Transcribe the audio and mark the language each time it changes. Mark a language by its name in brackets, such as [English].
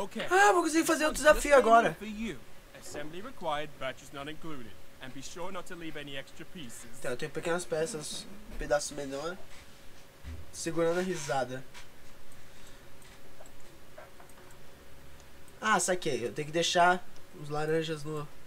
[Portuguese] Ah, vou conseguir fazer outro desafio agora. [English] Assembly required, batches not included. And be sure not to leave any extra pieces. [Portuguese] Então, eu tenho pequenas peças, um pedaço menor, segurando a risada. Ah, saquei. Eu tenho que deixar os laranjas no...